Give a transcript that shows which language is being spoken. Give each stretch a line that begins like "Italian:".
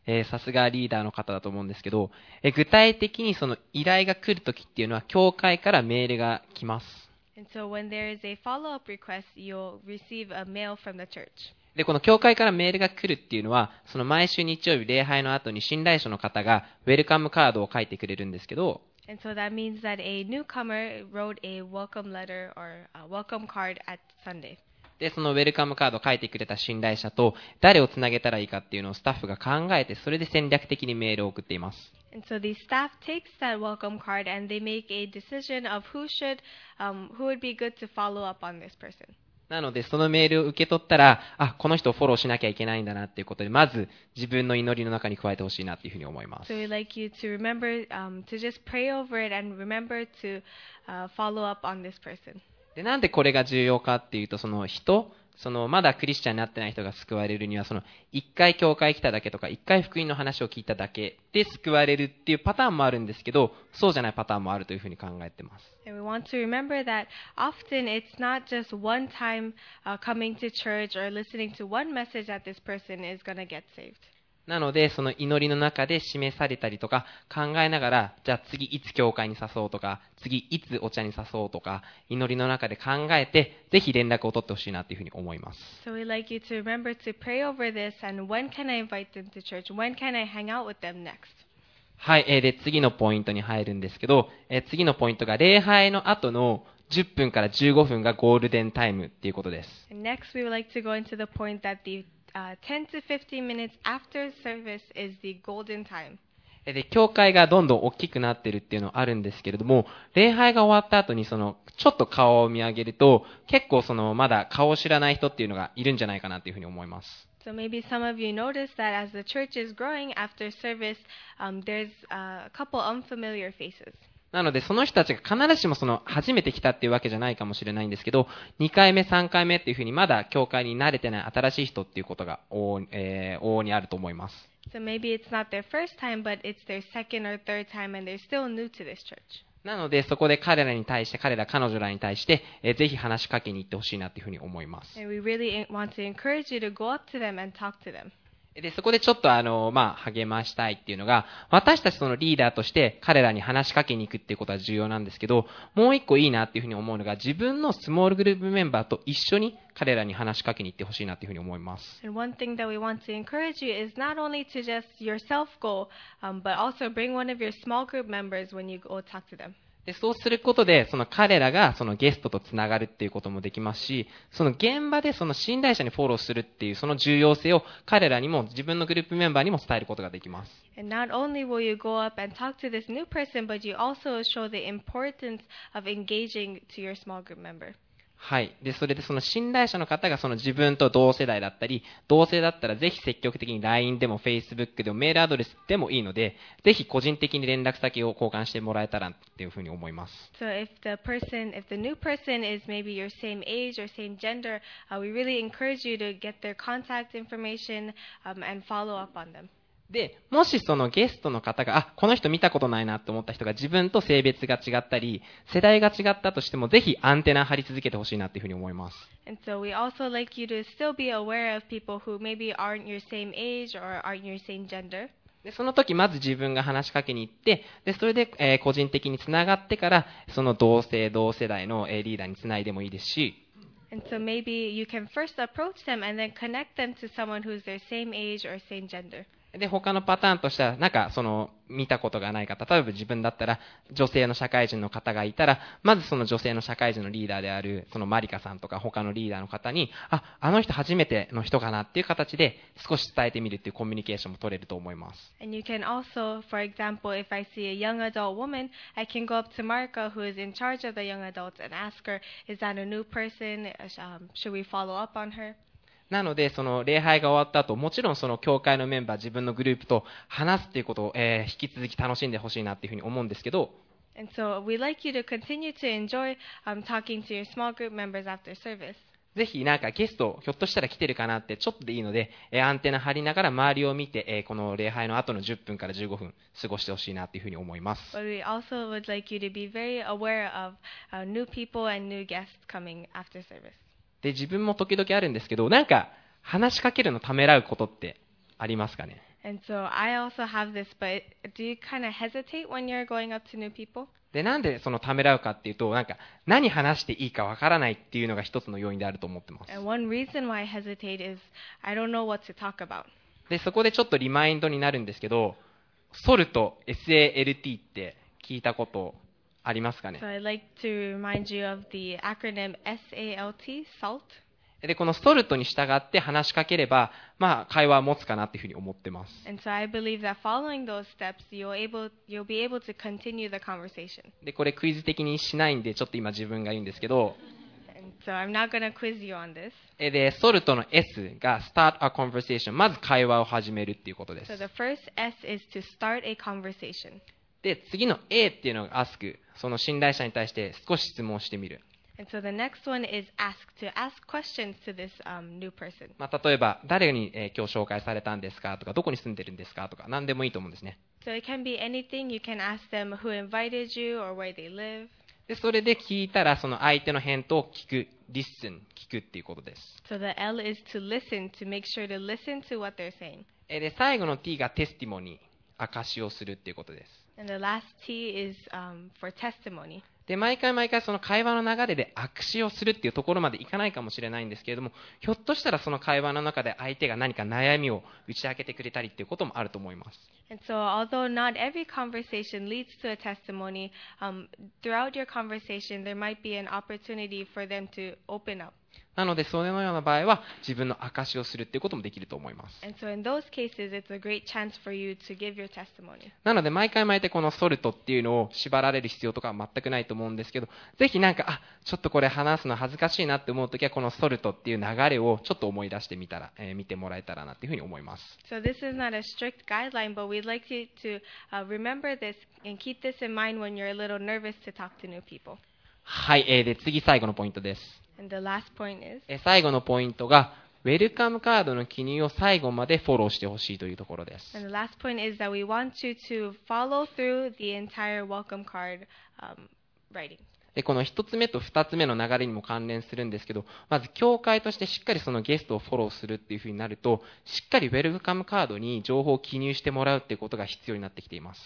Japanese: さすがリーダーの方だと思うんですけど、具体的にその依頼が来るときっていうのは、教会からメールが来ます。
English: And so when there is a follow-up request, you'll receive a mail from the church.
Japanese: でこの教会からメールが来るっていうのはその毎週日曜日礼拝の後に信頼書の方がウェルカムカードを書いてくれるんですけど、でそのウェルカムカードを書いてくれた信頼者と誰をつなげたらいいかっていうのをスタッフが考えてそれで戦略的にメールを送っています。
English: And so the staff takes that welcome card and they make a decision of who would be good to follow up on this person
Japanese: なのでそのメールを受け取ったら、あ、この人をフォローしなきゃいけないんだなっていうことでまず自分の祈りの中に加えてほしいなっていうふうに思います。
English: So we'd like you to remember, to just pray over it and remember to, follow up on this person.
Japanese: で、なんでこれが重要かっていうと、その人、そのまだクリスチャンになってない人が救われるには、その一回教会来ただけとか一回福音の話を聞いただけで救われるっていうパターンもあるんですけど、そうじゃないパターンもあるというふうに考えてます。
English: And we want to remember that often it's not just one time coming to church or listening to one message that this person is going to get saved.
Japanese: なのでその祈りの中で示されたりとか考えながら、じゃあ次いつ教会に誘おうとか、次いつお茶に誘おうとか、祈りの中で考えて、ぜひ連絡を取ってほしいなというふうに思います。
English: So we'd like you to remember to pray over this and when can I invite them to church? When can I hang out with them next?
Japanese: はい、で次のポイントに入るんですけど、次のポイントが礼拝の後の10分から15分がゴールデンタイムっていうことです。
English: Next we would like to go into the point that the 10 to 15 minutes after service is the golden time。
Japanese: で教会がどんどん大きくなってるっていうのはあるんですけれども、礼拝が終わった後にそのちょっと顔を見上げると、結構そのまだ顔を知らない人っていうのがいるんじゃないかなっていうふうに思います。
English: So maybe some of you noticed that as the church is growing after service, there's a couple unfamiliar faces.
Japanese: なのでその人たちが必ずしもその初めて来たっていうわけじゃないかもしれないんですけど、2回目3回目っていうふうにまだ教会に慣れてない新しい人っていうことが 往々にあると思います。
English: So maybe it's not their first time, but it's their second or third time, and they're still new to this church.
Japanese: なのでそこで彼らに対して、彼ら彼女らに対して、ぜひ話しかけに行ってほしいなっていうふうに思います。
English: And we really want to encourage you to go up to them and talk to them.
Japanese: でそこでちょっとまあ、励ましたいっていうのが、私たちそのリーダーとして彼らに話しかけに行くっていうことは重要なんですけど、もう一個いいなっていうふうに思うのが、自分のスモールグループメンバーと一緒に彼らに話しかけに行ってほしいなっていうふうに思います。
English: And one thing that we want to encourage you is not only to just yourself go, but also bring one of your small group members when you go talk to them.
Japanese: でそうすることで、その彼らがそのゲストとつながるっていうこともできますし、その現場でその信頼者にフォローするっていうその重要性を彼らにも自分のグループメンバーにも伝えることができます。
English: And not only will you go up and talk to this new person, but you also show the importance of engaging to your small group member.
Japanese: はい。で、それでその信頼者の方がその自分と同世代だったり、同性だったらぜひ積極的に LINE でも Facebook でもメールアドレスでもいいので、ぜひ個人的に連絡先を交換してもらえたらっていうふうに思います。
English: So if the person, if the new person is maybe your same age or same gender, we really encourage you to get their contact information, and follow up on them.
Japanese: で、もしそのゲストの方が、あ、この人見たことないなと思った人が自分と性別が違ったり、世代が違ったとしても、ぜひアンテナ張り続けてほしいなっていうふうに思います。
English: And so we also like you to still be aware of people who maybe aren't your same age or aren't your same gender.
Japanese: で、その時まず自分が話しかけに行って、で、それで、個人的につながってから、その同性、同世代の、リーダーにつないでもいいですし、
English: And so maybe you can first approach them and then connect them to someone who's their same age or same gender.
Japanese: で他のパターンとしては、なんかその見たことがない方、例えば自分だったら女性の社会人の方がいたら、まずその女性の社会人のリーダーであるそのマリカさんとか他のリーダーの方に、ああの人初めての人かなっていう形で少し伝えてみるっていうコミュニケーションも取れると思います。
English: And you can also, for example, if I see a young adult woman, I can go up to Marika, who is in charge of the young adults, and ask her, is that a new person? Should we follow up on her?
Japanese: なのでその礼拝が終わった後、もちろんその教会のメンバー、自分のグループと話すということを、引き続き楽しんでほしいなというふうに思うんですけど、
English: And so we'd like you to continue to enjoy, talking to your small group members after service.
Japanese: ぜひなんかゲストひょっとしたら来てるかなってちょっとでいいので、アンテナ張りながら周りを見て、この礼拝の後の10分から15分過ごしてほしいなというふうに思います。
English: But we also would like you to be very aware of new people and new guests coming after service
Japanese: で自分も時々あるんですけど、なんか話しかけるのためらうことってありますかね。
English: And so I also have this, but do you kind of hesitate when you're going up to new people?
Japanese: でなんでそのためらうかっていうと、なんか何話していいかわからないっていうのが一つの要因であると思ってます。
English: And one reason why I hesitate is I don't know what to talk about.
Japanese: でそこでちょっとリマインドになるんですけど、ソルト SALT って聞いたことありますかね。
English: So I'd like to remind you of the acronym SALT, SALT.
Japanese: で、このソルトに従って話しかければ、まあ、会話は持つかなっていうふうに思ってます。
English: And so I believe that following those steps, you'll be able to continue the conversation.
Japanese: で、これクイズ的にしないんで、ちょっと今自分が言うんですけど。
English: And so I'm not going to quiz you on this.
Japanese: で、ソルトの S が
English: start a conversation、
Japanese: まず会話を始めるっていうことです。
English: So the first S is to start a conversation.
Japanese: で次の A っていうのが Ask、 その信頼者に対して少し質問してみる。
English: And so the next one is Ask, to ask questions to this new person.
Japanese: まあ例えば誰に、今日紹介されたんですかとか、どこに住んでるんですかとか、何でもいいと思うんですね。
English: So it can be anything. You can ask them who invited you or where they live.
Japanese: でそれで聞いたら、その相手の返答を聞く、 Listen 聞くっていうことです。
English: So the L is to listen, to make sure to listen to what they're saying.
Japanese: で最後の T がテスティモニー、証をするっていうことです。
English: And the last T is, for testimony.
Japanese: で毎回毎回その会話の流れで証をするっていうところまでいかないかもしれないんですけれども、ひょっとしたらその会話の中で相手が何か悩みを打ち明けてくれたりっていうこともあると思います。
English: And so although not every conversation leads to a testimony, throughout your conversation there might be an opportunity for them to open up.
Japanese: なのでそのような場合は自分の証をするっていうこともできると思います。
English: And so in those cases, it's a great chance for you to give your testimony.
Japanese: なので毎回毎回このソルトっていうのを縛られる必要とかは全くないと思うんですけど、ぜひなんかあちょっとこれ話すの恥ずかしいなって思うときはこのソルトっていう流れをちょっと思い出してみたら、見てもらえたらなっていうふうに思います。
English: So this is not a strict guideline, but we'd like you to remember this and keep this in mind when you're a little nervous to talk to new people.
Japanese: はい、で次最後のポイントです。
English: And the last point is...
Japanese: 最後のポイントがウェルカムカードの記入を最後までフォローしてほしいというところです。
English: And the last point is that we want you to follow through the entire welcome card, writing.
Japanese: でこの1つ目と2つ目の流れにも関連するんですけど、まず教会としてしっかりそのゲストをフォローするっていうふうになると、しっかりウェルカムカードに情報を記入してもらうっていうことが必要になってきています。